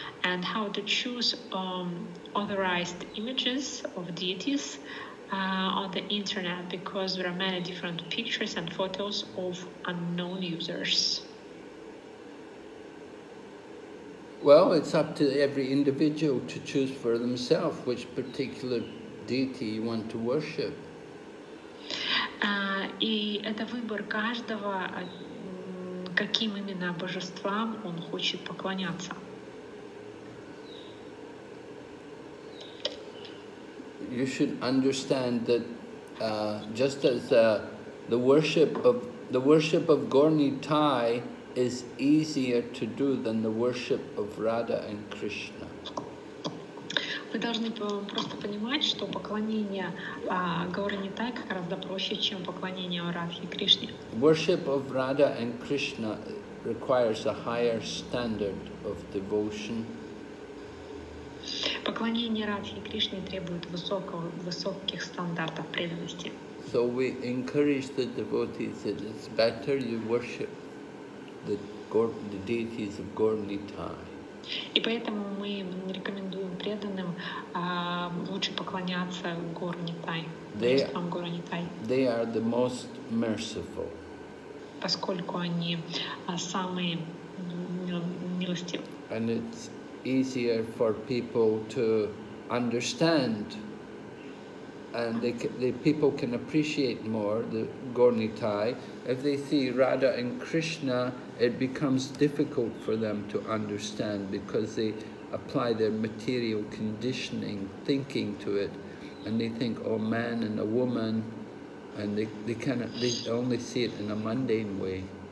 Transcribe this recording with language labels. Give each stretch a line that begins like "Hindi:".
English: And how to choose authorized images of deities on the internet, because there are many different pictures and photos of unknown users? Well, it's up to every individual to choose for themselves which particular deity you want to worship.
Russian: И это выбор каждого, каким именно божествам он хочет поклоняться.
English: You should understand that just as the worship of Gorni Thai is easier to do than the worship of Radha and Krishna.
Russian: Вы должны просто понимать, что поклонение Гаурани Тай гораздо проще, чем поклонение Радхе и Кришне.
English: Worship of Radha and Krishna requires a higher standard of devotion.
Russian: Поклонение Радхе и Кришне требует высоких стандартов преданности.
English: So we encourage the devotees that it's better you worship the deities of Gorni Thai.
Russian: И поэтому мы рекомендуем преданным лучше поклоняться Gorni Thai.
English: They are the most merciful.
Russian: Поскольку они самые милостивые.
English: And it's easier for people to understand, and the people can appreciate more the Gorni Thai if they see Radha and Krishna. It becomes difficult for them to understand because they apply their material conditioning thinking to it, and they think, oh, man and a woman, and they only see it in a mundane way.